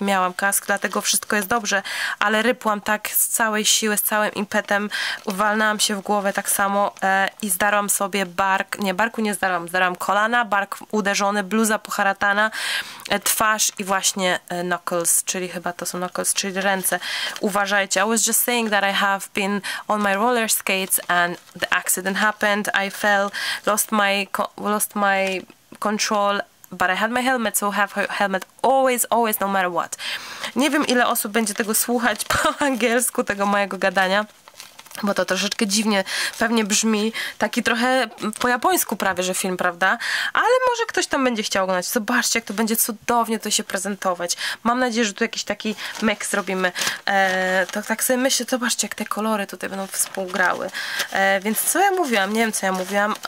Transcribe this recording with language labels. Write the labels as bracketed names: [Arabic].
[Polish] Miałam kask, dlatego wszystko jest dobrze. Ale rypłam tak z całej siły, z całym impetem. Uwalnałam się w głowę tak samo i zdarłam sobie bark. Nie, barku nie zdarłam. Zdarłam kolana, bark uderzony, bluza poharatana, twarz i właśnie knuckles, czyli chyba to są knuckles, czyli ręce. Uważajcie. [English] I was just saying that I have been on my roller skates and the accident happened. I fell, lost my control, but I had my helmet, so have her helmet always, always, no matter what. [Polish] Nie wiem, ile osób będzie tego słuchać po angielsku, tego mojego gadania, bo to troszeczkę dziwnie pewnie brzmi, taki trochę po japońsku prawie, że film, prawda? Ale może ktoś tam będzie chciał oglądać. Zobaczcie, jak to będzie cudownie to się prezentować. Mam nadzieję, że tu jakiś taki mix zrobimy. To tak sobie myślę, zobaczcie, jak te kolory tutaj będą współgrały. Więc co ja mówiłam? Nie wiem, co ja mówiłam.